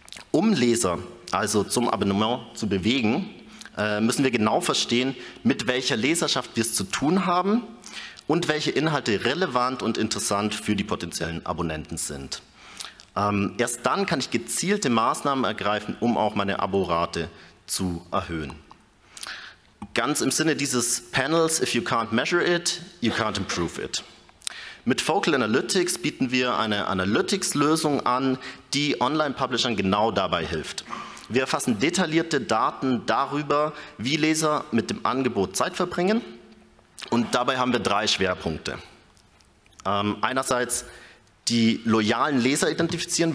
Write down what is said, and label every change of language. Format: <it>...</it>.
<de>Um Leser also zum Abonnement zu bewegen, müssen wir genau verstehen, mit welcher Leserschaft wir es zu tun haben und welche Inhalte relevant und interessant für die potenziellen Abonnenten sind. Erst dann kann ich gezielte Maßnahmen ergreifen, um auch meine Abo-Rate zu erhöhen. Ganz im Sinne dieses Panels,</de> <en>if you can't measure it, you can't improve it.</en> <de>Mit Focal Analytics bieten wir eine Analytics-Lösung an, die Online-Publishern genau dabei hilft. Wir erfassen detaillierte Daten darüber, wie Leser mit dem Angebot Zeit verbringen. Und dabei haben wir drei Schwerpunkte. Einerseits die loyalen Leser identifizieren.</de>